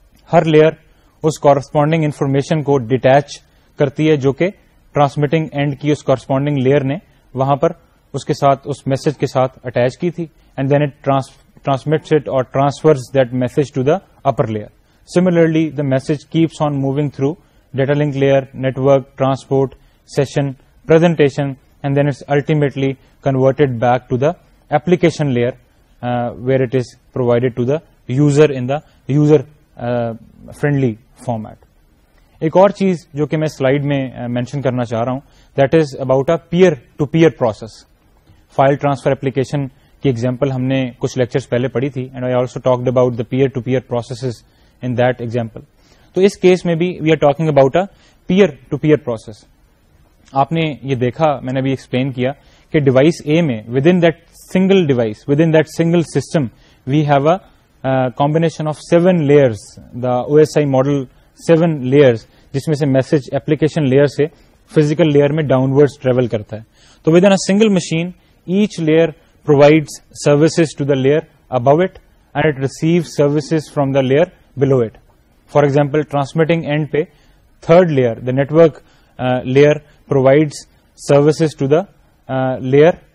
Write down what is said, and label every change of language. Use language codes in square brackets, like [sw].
[ur] ہر layer اس corresponding information کو detach کرتی ہے جو کہ ٹرانسمیٹنگ اینڈ کی اس کورسپونڈنگ لیئر نے وہاں پر اس کے ساتھ اس میسج کے ساتھ اٹیچ کی تھی, [en] And then it transmits it اور transfers that message to the upper layer. Similarly the message keeps on moving through data link layer, network, transport, session, presentation, and then it's ultimately converted back to the application layer where it is provided to the user in the user friendly format. [ur] ایک اور چیز جو کہ میں slide میں mention کرنا چاہ رہا ہوں, [en] That is about a peer to peer process. [ur] File transfer application کی ایگزامپل ہم نے کچھ لیکچرز پہلے پڑھی تھی, [en] And I also talked about the peer to peer processes in that example. [ur] تو اس کیس میں بھی [en] We are talking about a peer to peer process. [ur] آپ نے یہ دیکھا, میں نے بھی ایکسپلین کیا کہ ڈیوائس اے میں [en] within that single device, within that single system, we have a combination of seven layers, [ur] the O S I model seven layers, جس میں سے میسج اپلیکیشن لیئر سے فزیکل لیئر میں down words travel کرتا ہے. [en] تو within a single machine each layer provides services to the layer above it and it receives services from the layer below it. For example, transmitting end pe third layer, the network layer provides services to the layer